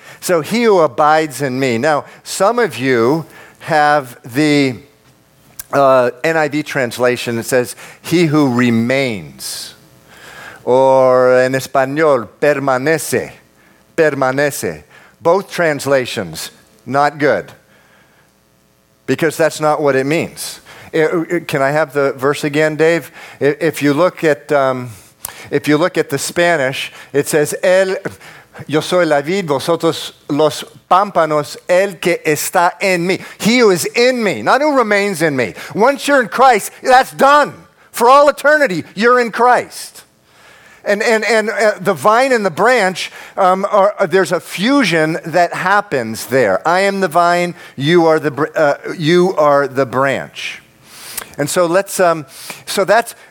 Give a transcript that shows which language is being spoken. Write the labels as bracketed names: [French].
[English] So he who abides in me. Now, some of you have the NIV translation, it says, he who remains. Or in Espanol, [Spanish] permanece. Permanece. [English] Both translations, not good. Because that's not what it means. Can I have the verse again, Dave? If you look at the Spanish, it says, [Spanish] El, yo soy la vid, vosotros los pámpanos, el que está en mí. [English] He who is in me, not who remains in me. Once you're in Christ, that's done. For all eternity, you're in Christ. And the vine and the branch, there's a fusion that happens there. I am the vine, you are the branch. And so that's